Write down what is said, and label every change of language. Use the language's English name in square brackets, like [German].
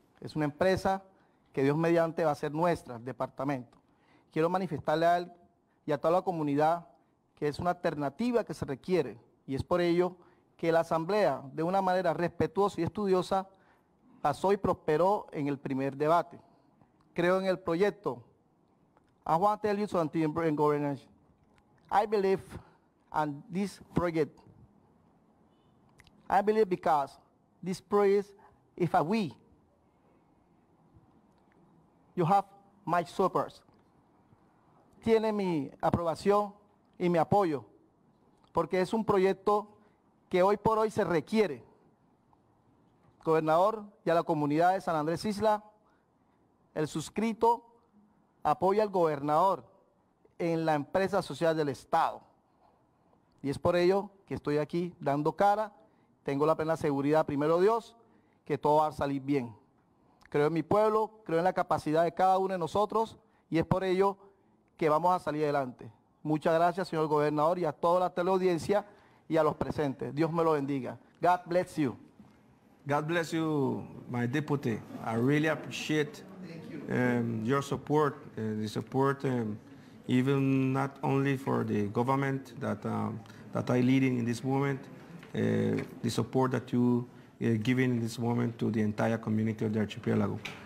[Spanish] Es una empresa que Dios mediante va a ser nuestra, el departamento. Quiero manifestarle a él y a toda la comunidad que es una alternativa que se requiere y es por ello que la Asamblea, de una manera respetuosa y estudiosa, pasó y prosperó en el primer debate. Creo en el proyecto. [English] I want to tell you something in governance. I believe in this project. I believe because this project is a we. You have my support. [Spanish] Tiene mi aprobación y mi apoyo, porque es un proyecto que hoy por hoy se requiere. Gobernador y a la comunidad de San Andrés Isla, el suscrito apoya al gobernador en la empresa social del Estado. Y es por ello que estoy aquí dando cara, tengo la plena seguridad, primero Dios, que todo va a salir bien. Creo en mi pueblo, creo en la capacidad de cada uno de nosotros y es por ello que vamos a salir adelante. Muchas gracias, señor gobernador, y a toda la teleaudiencia y a los presentes. Dios me lo bendiga. [English] God bless you. God bless you, my deputy. I really appreciate your support, the support even not only for the government that I lead in this moment, the support that you giving in this moment to the entire community of the archipelago.